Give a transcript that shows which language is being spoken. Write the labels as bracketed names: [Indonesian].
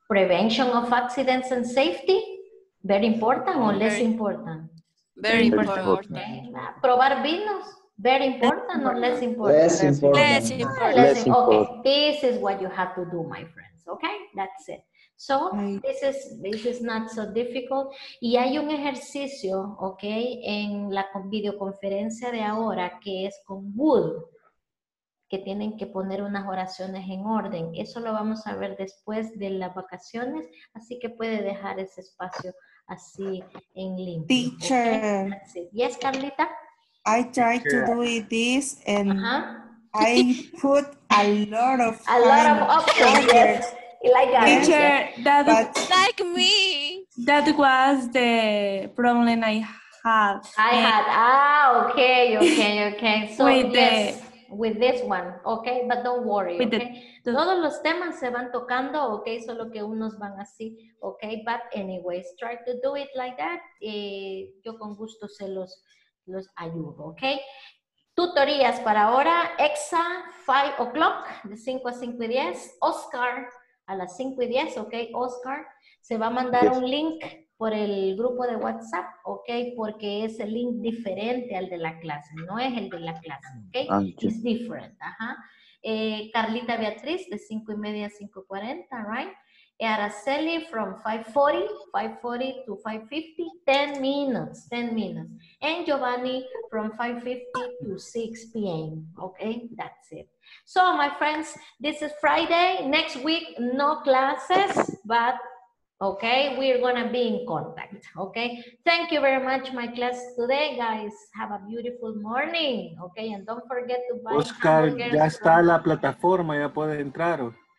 [English] Prevention of accidents and safety, very important or less important? Very important. [Spanish] Probar vinos, [English] very important or less important? Less important. Less important. Less important. Okay, this is what you have to do, my friends, okay? That's it. So, this is not so difficult. [Spanish] Y hay un ejercicio, okay, en la videoconferencia de ahora que es con Wood. Que tienen que poner unas oraciones en orden. Eso lo vamos a ver después de las vacaciones, así que puede dejar ese espacio así en link. [English] Teacher. Okay. Yes, Carlita. I tried to do this and I put a lot of options. Yes. Like teacher, yes. That like me. That was the problem I had. I had. Ah, okay, okay, okay. So with this one, okay, but don't worry, okay. [Spanish] Todos los temas se van tocando, okay, solo que unos van así, okay. [English] But anyways, try to do it like that. [Spanish] Yo con gusto se los ayudo, okay. Tutorías para ahora, Exa, 5 o'clock, de 5 a 5 y 10. Oscar, a las 5 y 10, ok, Oscar. Se va a mandar un link por el grupo de WhatsApp, ok, porque es el link diferente al de la clase. No es el de la clase, ok, [English] it's different, [Spanish] ajá. Carlita Beatriz, de 5 y media a 5:40, right. [English] Araceli, from 5:40 to 5:50, 10 minutes, 10 minutes. And Giovanni, from 5:50 to 6 p.m., okay? That's it. So, my friends, this is Friday. Next week, no classes, but, okay, we're gonna be in contact, okay? Thank you very much, my class today, guys. Have a beautiful morning, okay? And don't forget to buy [Spanish] Oscar, ya está la plataforma, ya puede entrar, ¿o?